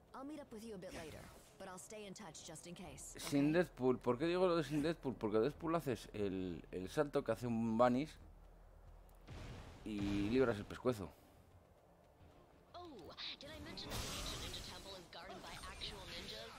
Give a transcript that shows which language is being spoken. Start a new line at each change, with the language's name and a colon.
English: I'll meet up with you a bit later, but I'll stay in touch just in case.
Spanish: Okay? Sin Deadpool. ¿Por qué digo lo de sin Deadpool? Porque Deadpool haces el salto que hace un Banish y libras el pescuezo.
English: Oh, did I mention that the ancient ninja temple is guarded by actual ninjas?